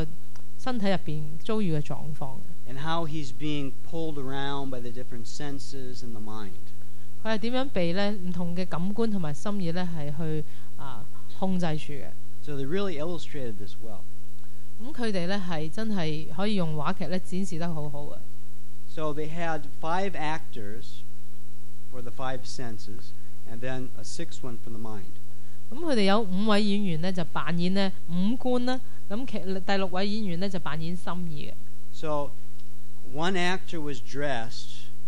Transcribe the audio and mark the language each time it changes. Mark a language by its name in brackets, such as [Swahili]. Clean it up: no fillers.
[Cantonese] 咁其中一個即係呢個話劇，其中一場戲咧，就係講到咧喺呢個生物體咧喺呢個身體入邊遭遇嘅狀況。 [English] And how he's being pulled around by the different senses and the mind. [Cantonese] 佢係點樣被咧唔同嘅感官同埋心意咧係去控制住嘅。 [English] So they really illustrated this well. [Cantonese] 咁佢哋咧係真係可以用話劇咧展示得好好嘅。 [English] So they had five actors for the five senses, and then a sixth one for the mind. [Cantonese] 咁佢哋有五位演員咧就扮演咧五官啦，咁第六位演員咧就扮演心意嘅。 [English] So one actor was dressed.